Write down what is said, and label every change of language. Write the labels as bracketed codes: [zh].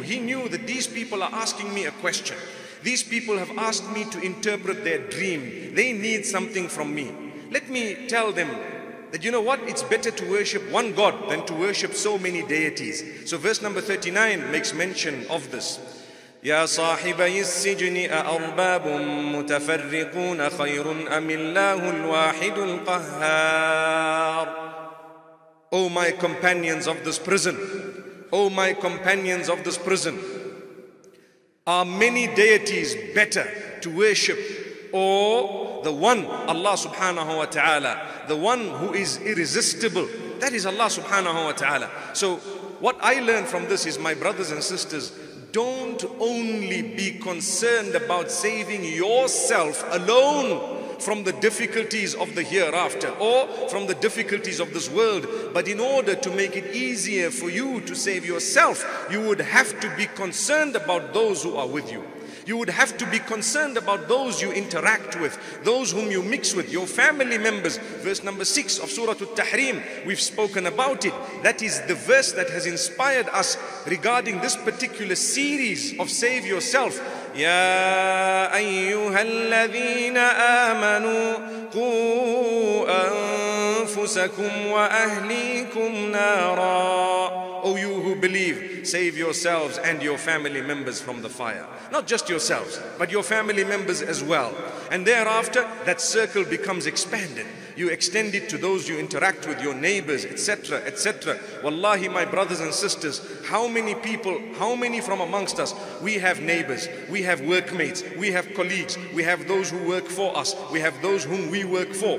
[en] He knew that these people are asking me a question. These people have asked me to interpret their dream. They need something from me. Let me tell them that, you know what? It's better to worship one God than to worship so many deities. So verse number 39 makes mention of this. يا [ar] يا صاحبي السجن أأرباب متفرقون خير أم الله الواحد القهار. [en] O my companions of this prison, O my companions of this prison, are many deities better to worship or the one Allah subhanahu wa ta'ala, the one who is irresistible? That is Allah subhanahu wa ta'ala. So what I learned from this is, my brothers and sisters, don't only be concerned about saving yourself alone from the difficulties of the hereafter or from the difficulties of this world, but in order to make it easier for you to save yourself, you would have to be concerned about those who are with you. You would have to be concerned about those you interact with, those whom you mix with, your family members. Verse number 6 of Surah Al-Tahrim, we've spoken about it. That is the verse that has inspired us regarding this particular series of Save Yourself. [ar] يا أيها الذين آمنوا قوا أنفسكم وأهليكم نارا. [en] O you who believe, save yourselves and your family members from the fire. Not just yourselves, but your family members as well. And thereafter, that circle becomes expanded. You extend it to those you interact with, your neighbors, etc., etc. Wallahi, my brothers and sisters, how many people, how many from amongst us, we have neighbors, we have workmates, we have colleagues, we have those who work for us, we have those whom we work for.